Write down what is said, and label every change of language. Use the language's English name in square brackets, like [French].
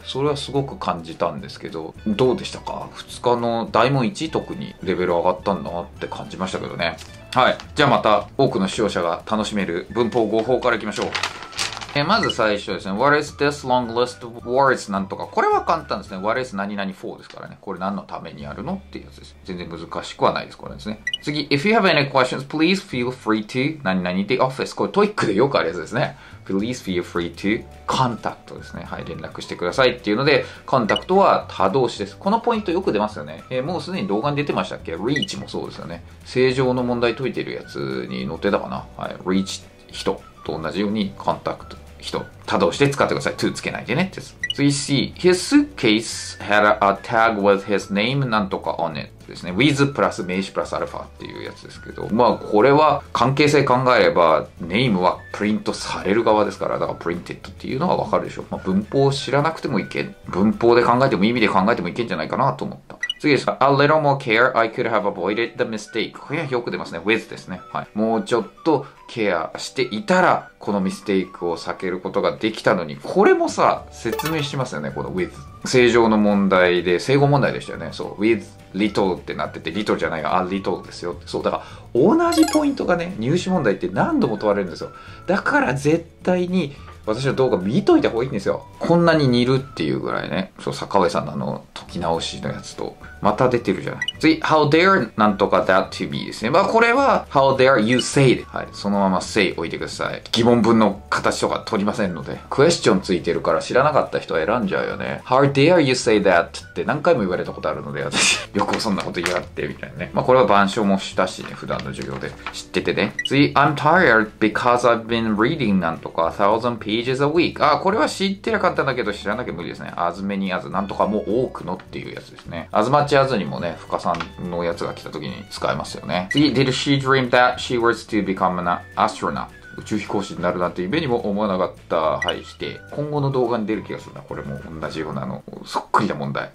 [Japanese] それはすごく感じたんですけど、どうでしたか？2日の大問1特にレベル上がったんだなって感じましたけどね。はい、じゃあまた多くの視聴者が楽しめる文法語法からいきましょう。まず最初ですね。 [English] What is this long list of words? [Japanese] なんとか。これは簡単ですね。 What is 何々 for ですからね。これ何のためにあるのっていうやつです。全然難しくはないです。これですね。次。 [English] If you have any questions, please feel free to 何々 the office. [Japanese] これトイックでよくあるやつですね。 [English] Please feel free to contact [Japanese] ですね。はい、連絡してくださいっていうので、contact は他動詞です。このポイントよく出ますよね。もうすでに動画に出てましたっけ ?reach もそうですよね。正常の問題解いてるやつに載ってたかな。はい、reach 人。と同じようにコンタクト人他動詞で使ってください。to つけないでねです。 [English] So you see, his suitcase had a tag with his name なんとか on it ですね。 [Japanese] with プラス名詞プラスアルファっていうやつですけど、まあこれは関係性考えれば name はプリントされる側ですから、だから printed っていうのはわかるでしょう。まあ、文法を知らなくてもいけん、文法で考えても意味で考えてもいけんじゃないかなと思った。次です。 [English] A little more care I could have avoided the mistake。 [Japanese] これはよく出ますね。 with ですね、はい、もうちょっとケアしていたらこのミステイクを避けることができたのに。これもさ、説明しますよね。この with 正常の問題で、正誤問題でしたよね。そう、 with little ってなってて、 little じゃないが、 a little ですよ。そう、だから同じポイントがね、入試問題って何度も問われるんですよ。だから絶対に私の動画見といた方がいいんですよ。こんなに似るっていうぐらいね。そう、坂上さんのあの解き直しのやつとまた出てるじゃない。次、 How dare なんとか that to be ですね。まあこれは [English] How dare you say [Japanese] で、はい、そのまま say 置いてください。疑問文の形とか取りませんので。クエスチョンついてるから知らなかった人は選んじゃうよね。 [English] How dare you say that [Japanese] って何回も言われたことあるので、私よくそんなこと言われてみたいなね。まあこれは板書もしたしね、普段の授業で知っててね。 [English] 次、 I'm tired because I've been reading なんとか 1000 pages a week。 [Japanese] あ、これは知ってりゃ簡単だけど知らなきゃ無理ですね。 As many as なんとかも多くのっていうやつですね。As muchやつにもね、深さんのやつが来た時に使えますよね。 [English] 次、 Did she dream that she was to become an astronaut? [Japanese] 宇宙飛行士になるなんて夢にも思わなかった。はい、して今後の動画に出る気がするな。これも同じようなのそっくりな問題。